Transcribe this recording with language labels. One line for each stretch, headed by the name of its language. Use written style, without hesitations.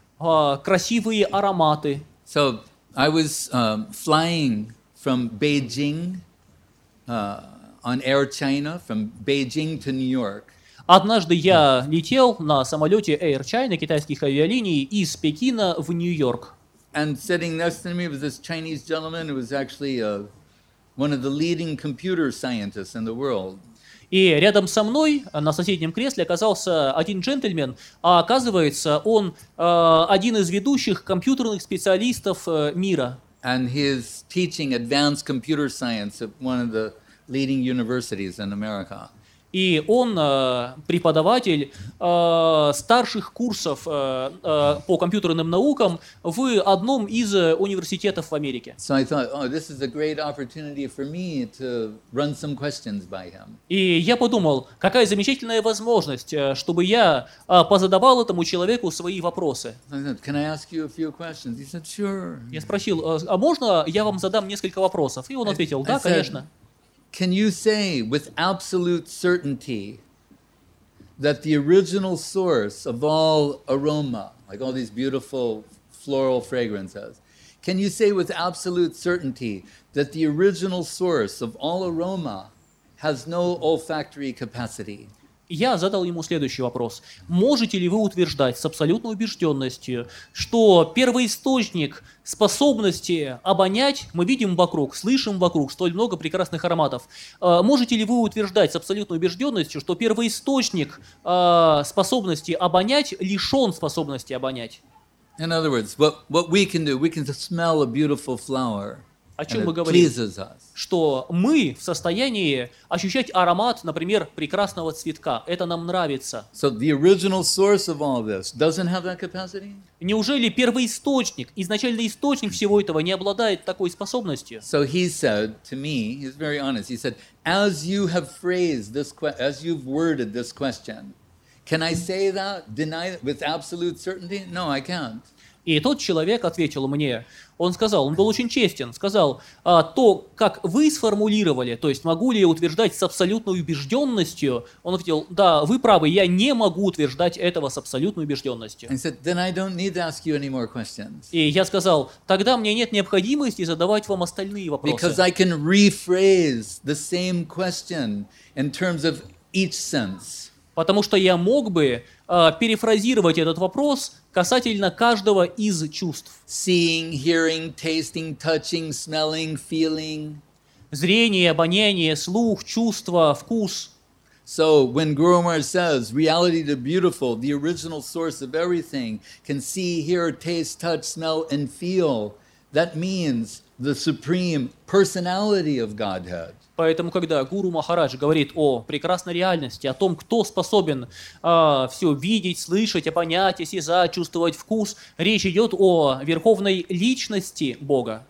Russian: красивые ароматы.
English: So I was flying from Beijing on Air China, from Beijing to New York.
Russian: Однажды я летел на самолете Air China, китайских авиалиний, из Пекина в Нью-Йорк.
English: And sitting next to me was this Chinese gentleman who was actually one of the leading computer scientists in the world.
Russian: И рядом со мной на соседнем кресле оказался один джентльмен, а оказывается, он один из ведущих компьютерных специалистов мира.
English: And he is teaching advanced computer science at one of the leading universities in America.
Russian: И он преподаватель старших курсов по компьютерным наукам в одном из университетов в Америке.
English: So I thought, oh, this is a great opportunity for me to run some questions by him.
Russian: И я подумал, какая замечательная возможность, чтобы я позадавал этому человеку свои вопросы.
English: I said, can I ask you a few questions? He said, sure.
Russian: Я спросил, а можно я вам задам несколько вопросов? И он ответил, да, конечно.
English: Can you say with absolute certainty that the original source of all aroma, like all these beautiful floral fragrances, can you say with absolute certainty that the original source of all aroma has no olfactory capacity?
Russian: Я задал ему следующий вопрос. Можете ли вы утверждать с абсолютной убежденностью, что первоисточник способности обонять, мы видим вокруг, слышим вокруг столь много прекрасных ароматов, можете ли вы утверждать с абсолютной убежденностью, что первоисточник способности обонять лишен способности обонять?
English: In other words, what we can do, we can smell a beautiful flower.
Russian: О чем
English: and
Russian: мы
English: it
Russian: говорим?
English: Pleases us.
Russian: Что мы в состоянии ощущать аромат, например, прекрасного цветка. Это нам нравится.
English: So the original source of all this doesn't have that capacity?
Russian: Неужели первоисточник, изначальный источник всего этого не обладает такой способностью?
English: So he said to me, he's very honest, he said, as you have phrased this question, as you've worded this question, can I say that, deny that with absolute certainty? No, I can't.
Russian: И тот человек ответил мне, он сказал, он был очень честен, сказал, то, как вы сформулировали, то есть могу ли я утверждать с абсолютной убежденностью, он ответил, да, вы правы, я не могу утверждать этого с абсолютной убежденностью.
English: I said, then I don't need to ask you any more questions.
Russian: И я сказал, тогда мне нет необходимости задавать вам остальные вопросы.
English: Because I can rephrase the same question in terms of each sense.
Russian: Потому что я мог бы перефразировать этот вопрос касательно каждого из чувств.
English: Seeing, hearing, tasting, touching, smelling, feeling.
Russian: Зрение, обоняние, слух, чувство, вкус.
English: So when Guru Maharaj says, reality the beautiful, the original source of everything, can see, hear, taste, touch, smell, and feel, that means the supreme personality of Godhead.
Russian: Поэтому, когда Гуру Махарадж говорит о прекрасной реальности, о том, кто способен все видеть, слышать, понять, осязать, чувствовать вкус, речь идет о верховной личности Бога.